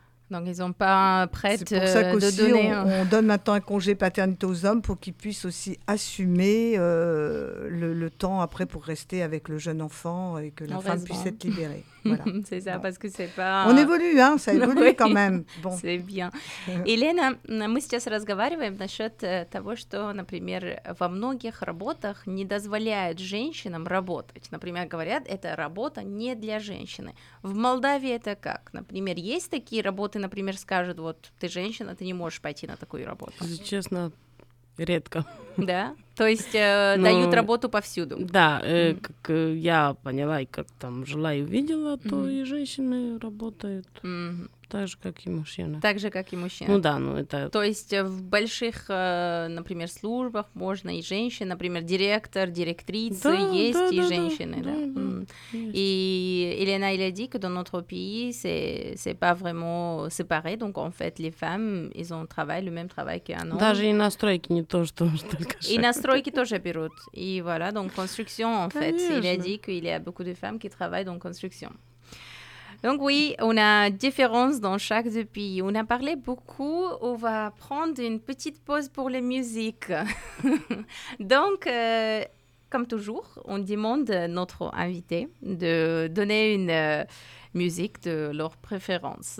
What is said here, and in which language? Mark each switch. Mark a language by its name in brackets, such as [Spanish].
[French] Donc, ils n'ont pas prêtes de donner. C'est pour ça qu'aussi, on donne maintenant un congé paternité aux hommes pour qu'ils puissent aussi assumer le temps après pour rester avec le jeune enfant et que la femme puisse être libérée. Voilà. C'est ça, parce que c'est pas... On évolue, hein, ça évolue quand même. Bon. C'est bien. [Russian] Елена, мы сейчас разговариваем насчет того, что, например, во многих работах не дозволяют женщинам работать. Например, говорят, эта работа не для женщины. В Молдавии это как? Например, есть такие работы, например, скажут, вот ты женщина, ты не можешь пойти на такую работу. Честно, редко. Да? То есть дают работу повсюду? Да, как я поняла и как там жила и увидела, то и женщины работают так же, как и мужчины. Так же, как и мужчины. Ну да, ну это... То есть в больших, например, службах можно и женщин, например, директор, директрица, да, есть да, и да, женщины. Да, да. [French] И Елена, elle a dit que dans notre pays, c'est pas vraiment séparé, donc en fait, les femmes, ils ont travail, le même travail qu'un homme. [Russian] Даже и на стройке не то, что только женщины. Настройки тоже берут. [French] И voilà, donc construction, en fait. Il a dit qu'il y a beaucoup de femmes qui travaillent dans construction. Donc oui, on a différence dans chaque pays. On a parlé beaucoup, on va prendre une petite pause pour les musiques. Donc, comme toujours, on demande à notre invité de donner une musique de leur préférence.